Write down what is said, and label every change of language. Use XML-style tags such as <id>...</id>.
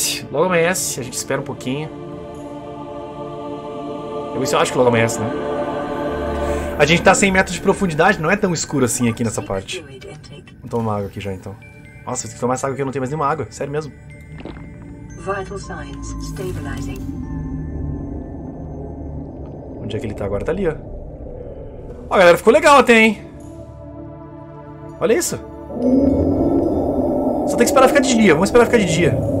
<pt>Logo amanhece. A gente espera um pouquinho. Eu acho que logo amanhece, né? A gente tá 100 metros de profundidade, não é tão escuro assim aqui nessa parte. Vamos tomar uma água aqui já, então. Nossa, tem que tomar essa água aqui, eu não tenho mais nenhuma água. Sério mesmo.</pt> <en>Vital signs stabilizing.</en> <pt>Onde é que ele tá agora? Tá ali, ó. Ó, galera, ficou legal até, hein? Olha isso. Só tem que esperar ficar de dia. Vamos esperar ficar de dia.</pt>